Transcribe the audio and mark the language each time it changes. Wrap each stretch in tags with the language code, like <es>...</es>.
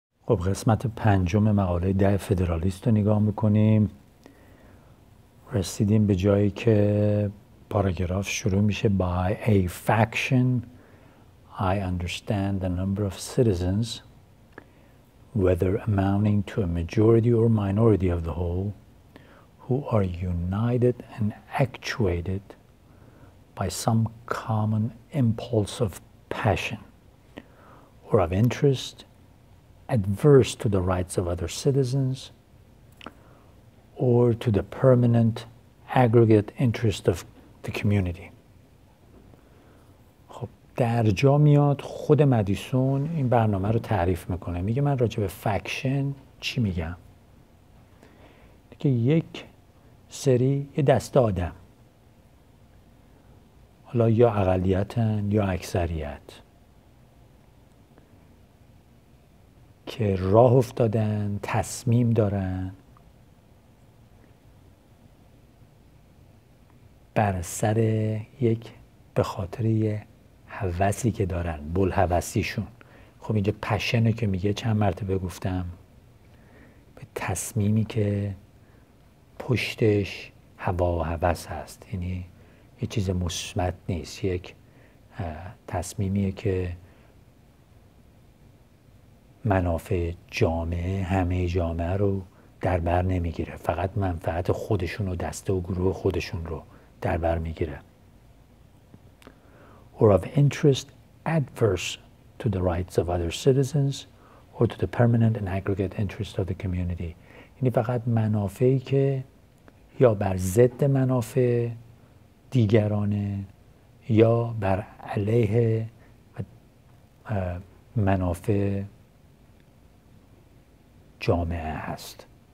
<fa>خب قسمت پنجم مقاله ده فدرالیست رو نگاه میکنیم. رسیدیم به جایی که پاراگراف شروع میشه</fa> <en>By a faction I understand the number of citizens whether amounting to a majority or minority of the whole who are united and actuated by some common impulse of passion or of interest adverse to the rights of other citizens or to the permanent aggregate interest of the community.</en> <fa>خب در جا میاد خود مدیسون این برنامه رو تعریف میکنه، میگه من راجع به فکشن چی میگم؟ که یک سری یه دست آدم، حالا یا اقلیتن یا اکثریت، که راه افتادن، تصمیم دارن بر سر یک به خاطر یه هوسی که دارن، بلهوسیشون. خب اینجا پشنه که میگه، چند مرتبه گفتم به تصمیمی که پشتش هوا و هوس هست، یعنی یه چیز مثبت نیست، یک تصمیمیه که منافع جامعه، همه جامعه رو در بر نمیگیره، فقط منفعت خودشون و دسته و گروه خودشون رو در بر میگیره.</fa> <en>Or of interest adverse to the rights of other citizens or to the permanent and aggregate interest of the community.</en> <fa>یعنی فقط منافعی که یا بر ضد منافع دیگرانه یا بر علیه منافع جامعه هست.</fa>